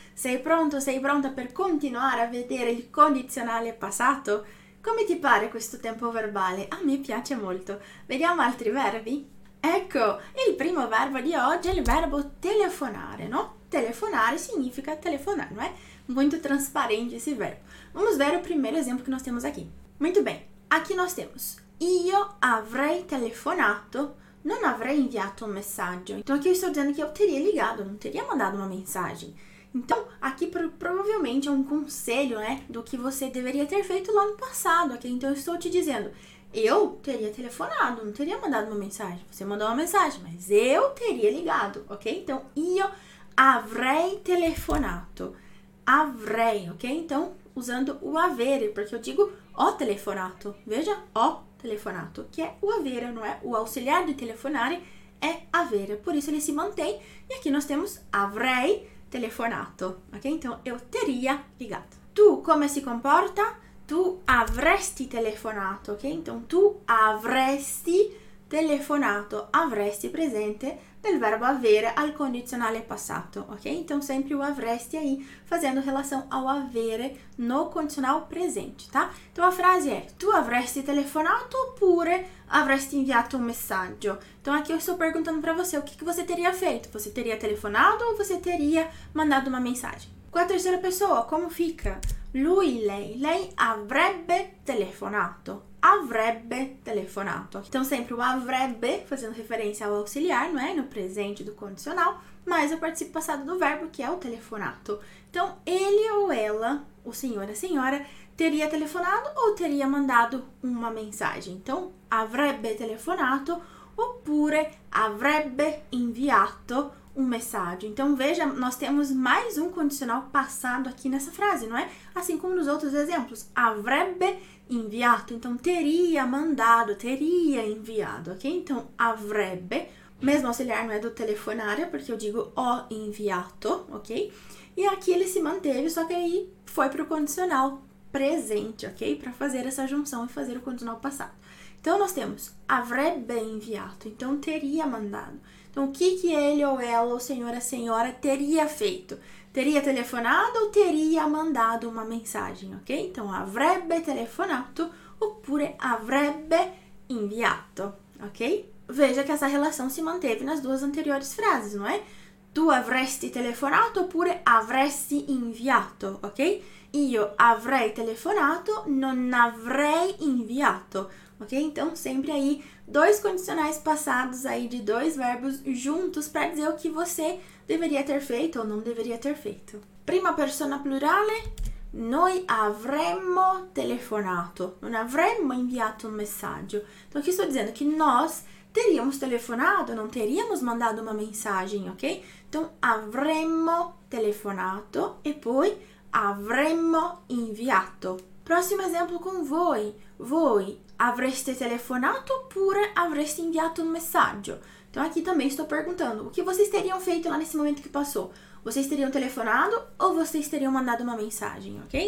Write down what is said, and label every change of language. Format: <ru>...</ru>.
<it>Sei pronto, sei pronta per continuare a vedere il condizionale passato? Come ti pare questo tempo verbale? A me piace molto. Vediamo altri verbi. Ecco, il primo verbo di oggi è il verbo telefonare, no? Telefonare significa telefonare, non è? Molto trasparente esse verbo.</it> <pt>Vamos ver o primeiro exemplo que nós temos aqui. Muito bem, aqui nós temos.</pt> <it>Io avrei telefonato, non avrei inviato un messaggio.</it> <pt>Então, aqui eu estou dizendo que eu teria ligado, não teria mandado uma mensagem. Então, aqui provavelmente é um conselho, né, do que você deveria ter feito lá no passado, ok? Então, eu estou te dizendo, eu teria telefonado, não teria mandado uma mensagem. Você mandou uma mensagem, mas eu teria ligado, ok?</pt> <it>Então, io avrei telefonato. Avrei, ok?</it> <pt>Então, usando o avere, porque eu digo</pt> <it>ho telefonato.</it> <pt>Veja,</pt> <it>ho telefonato,</it> <pt>que é o avere, não é? O auxiliar de telefonare é avere, por isso ele se mantém. E aqui nós temos</pt> <it>avrei telefonato,</it> <pt>ok? Então eu teria ligado. Tu como se comporta?</pt> <it>Tu avresti telefonato, ok? Então tu avresti telefonato, avresti presente del verbo avere al condizionale passato, ok?</it> <pt>Então sempre</pt> <it>o avresti</it> <pt>aí fazendo relação ao avere no condicional presente, tá? Então a frase é:</pt> <it>tu avresti telefonato oppure avresti inviato un messaggio?</it> <pt>Então aqui eu estou perguntando para você o que que você teria feito? Você teria telefonado ou você teria mandado uma mensagem? Com a terceira pessoa, como fica?</pt> <it>Lui, lei avrebbe telefonato. Avrebbe telefonato.</it> <pt>Então, sempre o avrebbe, fazendo referência ao auxiliar, não é? No presente do condicional, mais o participo passado do verbo, que é o telefonato. Então, ele ou ela, o senhor ou a senhora, teria telefonado ou teria mandado uma mensagem?</pt> <it>Então, avrebbe telefonato oppure avrebbe inviato um messaggio.</it> <pt>Então, veja, nós temos mais um condicional passado aqui nessa frase, não é? Assim como nos outros exemplos.</pt> <it>Avrebbe inviato.</it> <pt>Então, teria mandado, teria enviado, ok? Então, avrebbe. Mesmo auxiliar não é do telefonare, porque eu digo</pt> <it>ho enviato,</it> <pt>ok? E aqui ele se manteve, só que aí foi para o condicional presente, ok? Para fazer essa junção e fazer o condicional passado. Então, nós temos</pt> <it>avrebbe enviato.</it> <pt>Então, teria mandado. Então, o que que ele ou ela, ou senhor ou senhora, teria feito? Teria telefonado ou teria mandado uma mensagem, ok?</pt> <it>Então, avrebbe telefonato oppure avrebbe inviato, ok?</it> <pt>Veja que essa relação se manteve nas duas anteriores frases, não é?</pt> <it>Tu avresti telefonato oppure avresti inviato, ok? Io avrei telefonato, non avrei inviato. Ok?</it> <pt>Então, sempre aí dois condicionais passados aí de dois verbos juntos para dizer o que você deveria ter feito ou não deveria ter feito.</pt> <it>Prima persona plurale, noi avremmo telefonato. Non avremmo inviato un messaggio.</it> <pt>Então, aqui estou dizendo que nós teríamos telefonado, não teríamos mandado uma mensagem, ok?</pt> <it>Então, avremmo telefonato e poi avremmo inviato. Prossimo esempio con voi. Voi avreste telefonato oppure avreste inviato un messaggio?</it> <pt>Então, aqui também estou perguntando: o que vocês teriam feito lá nesse momento que passou? Vocês teriam telefonado ou vocês teriam mandado uma mensagem, ok?</pt>